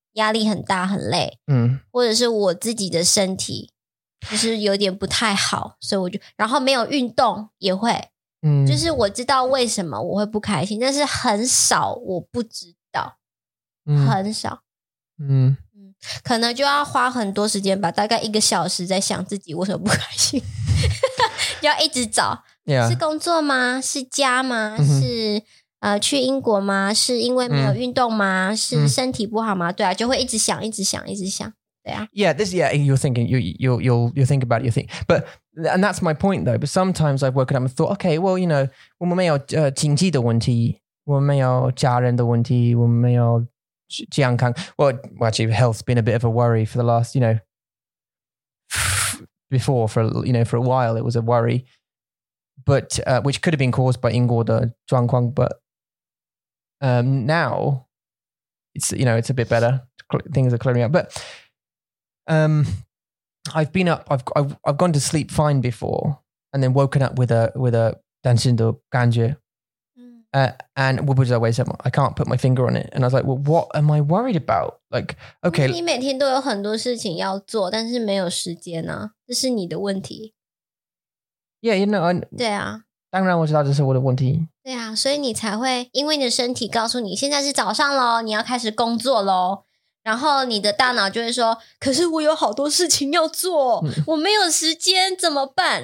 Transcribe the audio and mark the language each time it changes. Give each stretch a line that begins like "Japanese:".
Chinese: 压力很大很累、或者是我自己的身体就是有点不太好，所以我就然后没有运动也会、就是我知道为什么我会不开心，但是很少我不知道、很少、可能就要花很多时间吧，大概一个小时在想自己为什么不开心要一直找、
English: yeah.
Chinese: 是工作吗？是家吗、是去英国吗？是因为没有运动吗？是身体不好吗？对啊，就会一直想，一直想，一直想，对啊。
English: Yeah, this, yeah, you're thinking, you'll think about it, you think. But, and that's my point though, but sometimes I've woken up and thought, okay, well, you know,
Chinese: 我们没有经济的问题，我们没有家人的问题，我们没有健康。
English: Well, actually, health's been a bit of a worry for the last, you know, before, for a while, it was a worry. But, which could have been caused by
Chinese: 英国的状况,
English: but now, it's, you know, it's a bit better. Things are clearing up. But I've been up, I've gone to sleep fine before, and then woken up with a
Chinese: 担心的感觉.
English: And
Chinese: 我不知道为什么,
English: I can't put my finger on it. And I was like, well, what am I worried about? Like, okay.
Chinese: 你每天都有很多事情要做,但是没有时间啊,这是你的问题。
English: Yeah, you know,
Chinese: 对啊，当然我知道这是我的问题。对啊，所以你才会因为你的身体告诉你现在是早上咯，你要开始工作咯，然后你的大脑就会说，可是我有好多事情要做，我没有时间怎么办？